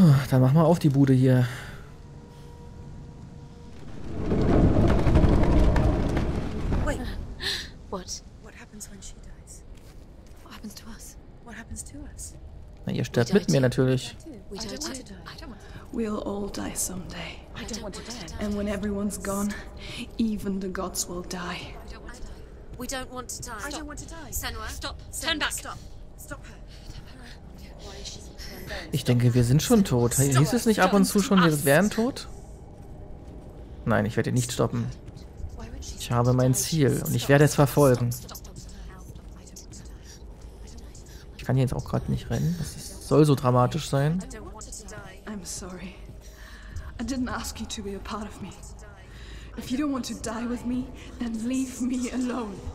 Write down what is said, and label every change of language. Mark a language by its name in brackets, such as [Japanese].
[German] Dann mach mal auf die Bude hier. Ihr stirbt mit mir natürlich. [English] We'll all die someday. And when everyone's gone, even the gods will die. We don't want to die. I don't want to die. Senua, stop. Turn back. Stop. Stop her. [German] Ich denke, wir sind schon tot. Hieß es nicht ab und zu schon, wir wären tot? Nein, ich werde ihn nicht stoppen. Ich habe mein Ziel und ich werde es verfolgen. Ich kann hier jetzt auch gerade nicht rennen. Das ist soll so dramatisch sein. [English] I'm sorry. I didn't ask you to be a part of me. If you don't want to die with me, then leave me alone.